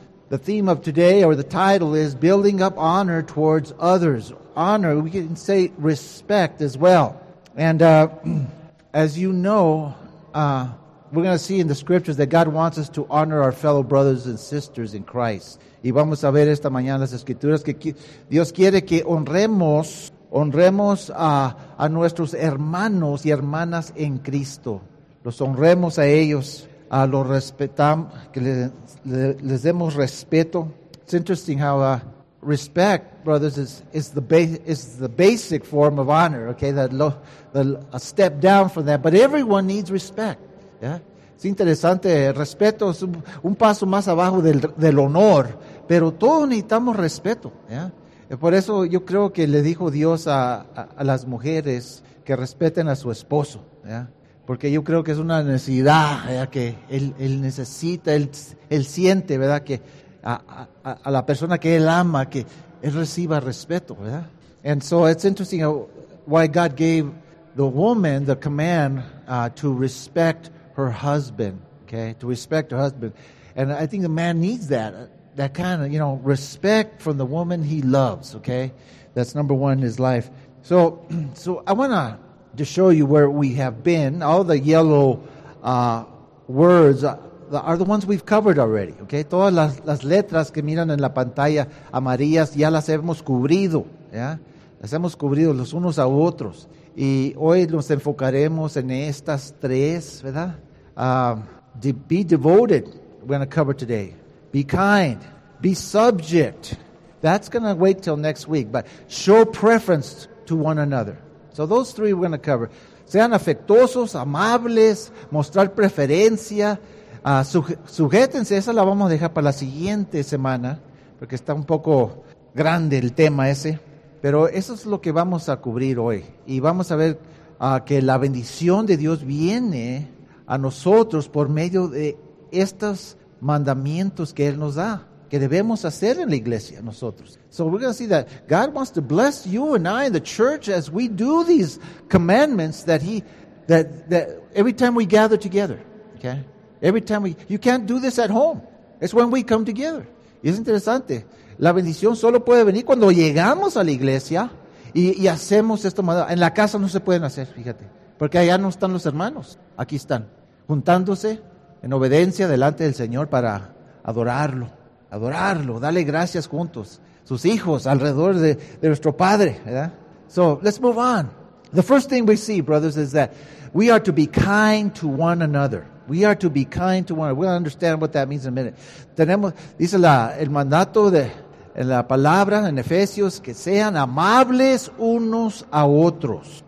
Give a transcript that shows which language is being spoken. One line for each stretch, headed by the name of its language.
English: The theme of today, or the title, is Building Up Honor Towards Others. Honor, we can say respect as well. And as you know, we're going to see in the scriptures that God wants us to honor our fellow brothers and sisters in Christ.
Spanish: Y vamos a ver esta mañana las escrituras que Dios quiere que honremos a nuestros hermanos y hermanas en Cristo. Los honremos a ellos. Lo respetamos, que les demos respeto.
English: It's interesting how respect, brothers, is the basic form of honor. Okay, a step down from that, but everyone needs respect. Yeah,
Spanish: es interesante. Respeto es un paso más abajo del honor, pero todos necesitamos respeto. Yeah, y por eso yo creo que le dijo Dios a las mujeres que respeten a su esposo. Yeah. Porque yo creo que es una necesidad, ¿verdad? Que él necesita, él siente, ¿verdad? Que a la persona que él ama, que él reciba respeto, ¿verdad?
English: And so it's interesting why God gave the woman the command to respect her husband, okay? To respect her husband. And I think the man needs that kind of, you know, respect from the woman he loves, okay? That's number one in his life. So I want to show you where we have been. All the yellow words are the ones we've covered already, okay?
Spanish: Todas las letras que miran en la pantalla amarillas ya las hemos cubrido, ¿ya? Las hemos cubrido los unos a otros. Y hoy nos enfocaremos en estas tres, ¿verdad?
English: Be devoted, we're going to cover today. Be kind, be subject. That's going to wait till next week, but show preference to one another. So those three we're going to cover.
Spanish: Sean afectuosos, amables, mostrar preferencia, sujétense. Esa la vamos a dejar para la siguiente semana, porque está un poco grande el tema ese. Pero eso es lo que vamos a cubrir hoy. Y vamos a ver que la bendición de Dios viene a nosotros por medio de estos mandamientos que Él nos da, que debemos hacer en la iglesia nosotros.
English: So we're going to see that God wants to bless you and I in the church as we do these commandments that that every time we gather together, okay? Every time you can't do this at home. It's when we come together.
Spanish: Y es interesante. La bendición solo puede venir cuando llegamos a la iglesia y hacemos esto. En la casa no se pueden hacer, fíjate. Porque allá no están los hermanos. Aquí están, juntándose en obediencia delante del Señor para adorarlo. Adorarlo, dale gracias juntos, sus hijos alrededor de nuestro Padre, ¿verdad?
English: So, let's move on. The first thing we see, brothers, is that we are to be kind to one another. We are to be kind to one another. We'll understand what that means in a minute.
Spanish: Tenemos, dice el mandato en la palabra, en Efesios, que sean amables unos a otros.